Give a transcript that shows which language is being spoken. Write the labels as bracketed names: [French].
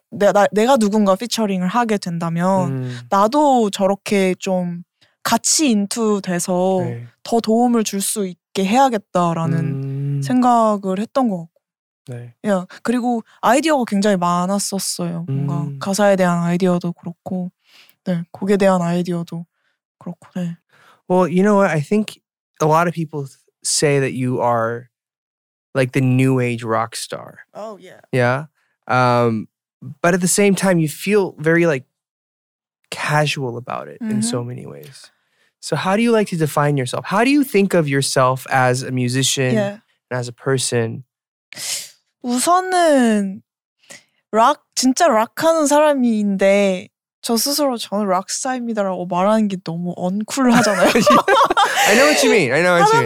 [Korean] 내가 누군가 피처링을 하게 된다면 나도 저렇게 좀 같이 인투돼서 더 도움을 줄 수 있게 해야겠다라는 생각을 했던 것 같고 그리고 아이디어가 굉장히 많았었어요. 뭔가 가사에 대한 아이디어도 그렇고 곡에 대한 아이디어도 그렇고 [English] Well, you know what? I think a lot of people say that you are like the new age rock star. Oh, yeah. Yeah? But at the same time, you feel very like casual about it in so many ways. So how do you like to define yourself? How do you think of yourself as a musician and as a person? [Korean] 우선은 락, 진짜 락하는 사람인데 저 스스로 저는 락스타입니다라고 말하는 게 너무 언쿨하잖아요. [English] I know what you mean. I know what you mean.